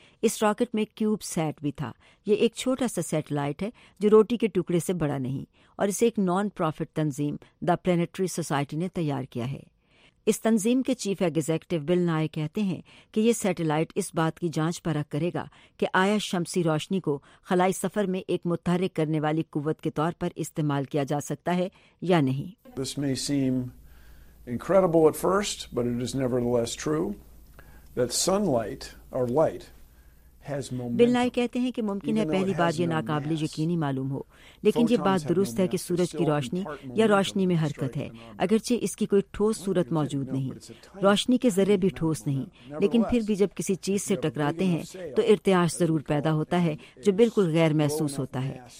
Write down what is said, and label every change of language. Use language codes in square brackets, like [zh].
[ur] اس rocket میں cube set بھی تھا، یہ ایک چھوٹا سا سیٹلائٹ ہے جو روٹی کے ٹکڑے سے بڑا نہیں، اور اسے ایک نان پروفٹ تنظیم دا پلینیٹری سوسائٹی نے تیار کیا ہے۔ اس تنظیم کے چیف ایگزیکٹو بل نائے کہتے ہیں کہ یہ سیٹلائٹ اس بات کی جانچ پرکھ کرے گا کہ آیا شمسی روشنی کو خلائی سفر میں ایک متحرک کرنے والی قوت کے طور پر استعمال کیا جا سکتا ہے یا نہیں۔ [en] This may seem incredible at first, but it is nevertheless true that sunlight or light [ur] بل نائے کہتے ہیں کہ ممکن ہے پہلی بات یہ ناقابل یقینی معلوم ہو، لیکن یہ بات درست ہے کہ سورج کی روشنی یا روشنی میں حرکت ہے، اگرچہ اس کی کوئی ٹھوس صورت موجود نہیں، روشنی کے ذرے بھی ٹھوس نہیں، لیکن پھر بھی جب کسی چیز سے ٹکراتے ہیں تو ارتعاش ضرور پیدا ہوتا ہے جو بالکل غیر محسوس ہوتا ہے۔